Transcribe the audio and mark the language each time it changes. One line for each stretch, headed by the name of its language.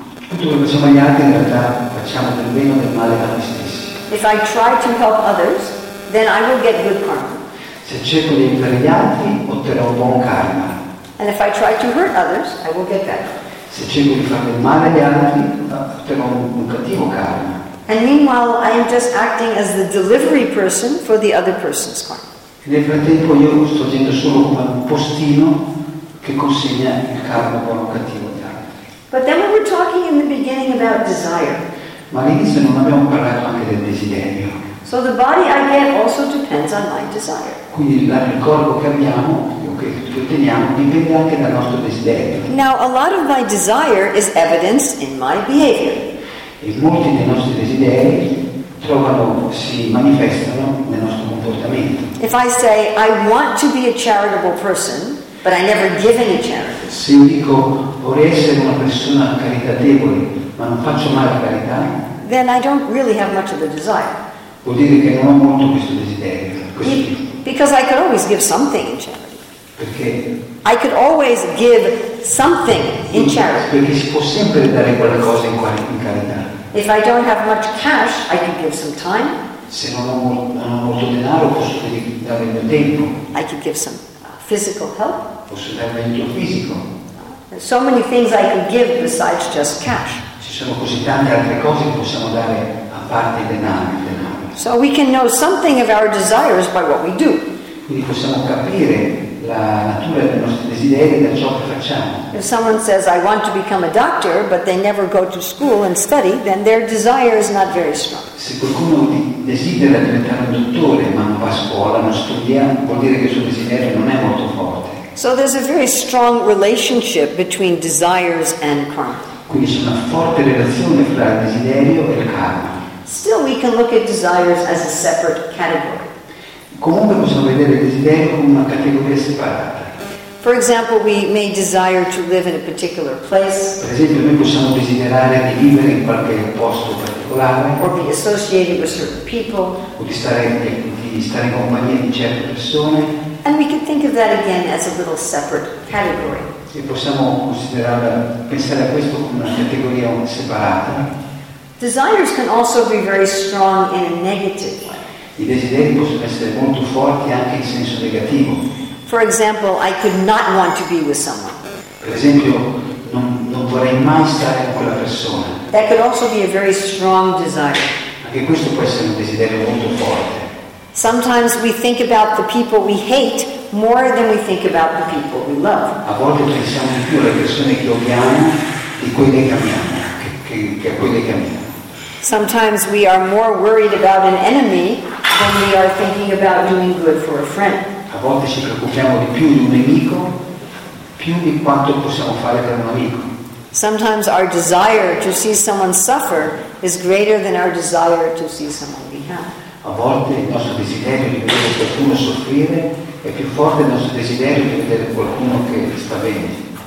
Italian: Tutto quello che siamo gli altri in realtà facciamo del bene o del male a noi stessi.
English: If I try to help others, then I will get good karma.
Italian: Se cerco di aiutare gli altri, otterrò buon karma.
English: And if I try to hurt others, I will get bad.
Italian: Se cerco di fare del male agli altri, otterrò un cattivo karma.
English: And meanwhile, I am just acting as the delivery person for the other person's karma.
Italian: E nel frattempo io sto agendo solo come un postino che consegna il karma buono o cattivo agli altri.
English: But then we were talking in the beginning about desire.
Italian: Ma all'inizio non abbiamo parlato anche del desiderio.
English: So the body I get also depends on my desire.
Italian: Quindi il corpo che abbiamo, che otteniamo, dipende anche dal nostro desiderio.
English: Now a lot of my desire is evidenced in my behavior.
Italian: E molti dei nostri desideri si manifestano nel nostro comportamento.
English: If I say I want to be a charitable person, but I never give any charity.
Italian: Se dico vorrei essere una persona caritatevole, ma non faccio mai la carità.
English: Then I don't really have much of a desire.
Italian: Vuol dire che non ho molto questo desiderio. Così.
English: Because I could always give something in charity.
Italian: Perché?
English: I could always give something in charity.
Italian: Perché si può sempre dare qualcosa in carità.
English: If I don't have much cash, I could give some time.
Italian: Se non ho molto denaro, posso dare il mio tempo.
English: I could give some physical help.
Italian: Posso dare aiuto fisico.
English: There's so many things I can give besides just cash.
Italian: Ci sono così tante altre cose che possiamo dare a parte denaro.
English: So we can know something of our desires by what we do.
Italian: Quindi possiamo capire la natura dei nostri desideri da ciò che facciamo.
English: If someone says I want to become a doctor, but they never go to school and study, then their desire is not very strong.
Italian: Se qualcuno desidera diventare un dottore ma non va a scuola, non studia, vuol dire che il suo desiderio non è molto forte.
English: So there's a very strong relationship between desires and karma.
Italian: Quindi c'è una forte relazione fra il desiderio e il karma.
English: Still, we can look at desires as a separate category.
Italian: Comunque possiamo vedere il desiderio come una categoria separata.
English: For example, we may desire to live in a particular place.
Italian: Per esempio, noi possiamo desiderare di vivere in qualche posto particolare.
English: Or be associated with certain people.
Italian: O di stare in compagnia di certe persone.
English: And we can think of that again as a little separate category.
Italian: E possiamo considerare, pensare a questo come una categoria separata.
English: Desires can also be very strong in a negative way.
Italian: I desideri possono essere molto forti anche in senso negativo.
English: For example, I could not want to be with someone.
Italian: Per esempio, non vorrei mai stare con quella persona.
English: That could also be a very strong desire.
Italian: Anche questo può essere un desiderio molto forte.
English: Sometimes we think about the people we hate more than we think about the people we love.
Italian: A volte pensiamo di più alle persone che odiamo di quelle che amiamo, che a quelle che amiamo.
English: Sometimes we are more worried about an enemy than we are thinking about doing good for a friend.
Italian: A volte ci preoccupiamo di più di un nemico più di quanto possiamo fare per un amico.
English: Sometimes our desire to see someone suffer is greater than our desire to see someone be happy.
Italian: A volte il nostro desiderio di vedere qualcuno soffrire è più forte del nostro desiderio di vedere qualcuno che sta bene.